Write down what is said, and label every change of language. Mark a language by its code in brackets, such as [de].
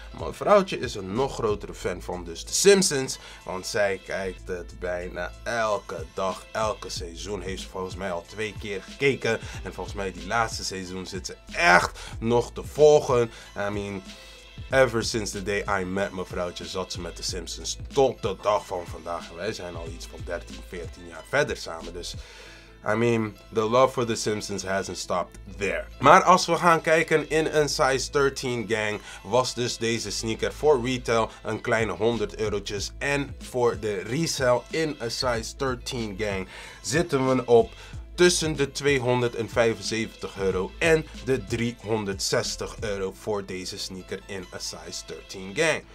[nl] Mijn vrouwtje is een nog grotere fan van dus de Simpsons, want zij kijkt het bijna elke dag, elke seizoen heeft ze volgens mij al 2 keer gekeken en volgens mij die laatste seizoen zit ze echt nog te volgen. [en] I mean, ever since the day I met [nl] mevrouwtje zat ze met de Simpsons tot de dag van vandaag. Wij zijn al iets van 13, 14 jaar verder samen. [en] Dus, I mean, the love for the Simpsons hasn't stopped there. [nl] Maar als we gaan kijken in een size 13 gang, was dus deze sneaker voor retail een kleine 100 euro'tjes. En voor de resale in een size 13 gang zitten we op tussen de 275 euro en de 360 euro voor deze sneaker in a size 13 gang.